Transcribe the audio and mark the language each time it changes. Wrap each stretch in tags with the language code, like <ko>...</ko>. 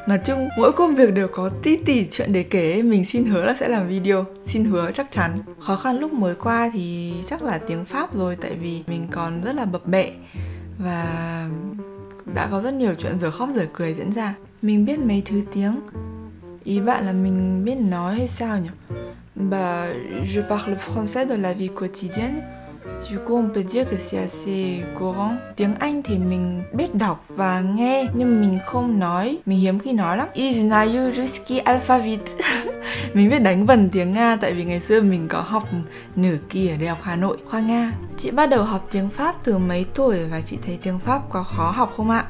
<vi>Nói chung mỗi công việc đều có tí tỉ chuyện để kể. Mình xin hứa là sẽ làm video, xin hứa chắc chắn. Khó khăn lúc mới qua thì chắc là tiếng Pháp rồi, tại vì mình còn rất là bập bẹ và đã có rất nhiều chuyện dở khóc dở cười diễn ra. Mình biết mấy thứ tiếng, Ý bạn là mình biết nói hay sao nhỉ?</vi> <fr>Bah, je parle français dans la vie quotidienne. Du coup, on peut dire que c'est assez courant.</fr> <vi>Tiếng Anh thì mình biết đọc và nghe, nhưng mình không nói. Mình hiếm khi nói lắm.</vi> <ru>Iznayu Ruski Alphabet.</ru> <vi>Mình biết đánh vần tiếng Nga tại vì ngày xưa mình có học nửa kỳ ở Đại học Hà Nội khoa Nga. Chị bắt đầu học tiếng Pháp từ mấy tuổi và chị thấy tiếng Pháp có khó học không ạ?</vi>